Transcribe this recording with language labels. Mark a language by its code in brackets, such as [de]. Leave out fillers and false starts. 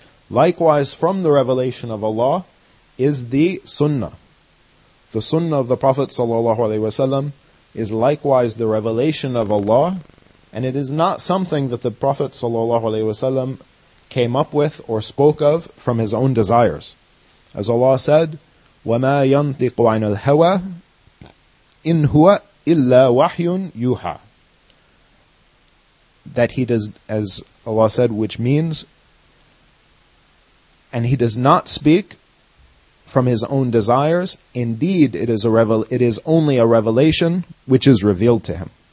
[en] Likewise, from the revelation of Allah is the sunnah. The sunnah of the Prophet sallallahu alayhi wa sallam is likewise the revelation of Allah, and it is not something that the Prophet sallallahu alayhi wa sallam came up with or spoke of from his own desires. As Allah said, [ar] وَمَا يَنْطِقُ عَنِ الْهَوَىٰ إِنْ هُوَ إِلَّا وَحْيٌ يُوحَىٰ. [en] That he does, as Allah said, which means, and he does not speak from his own desires. Indeed, it is only a revelation which is revealed to him.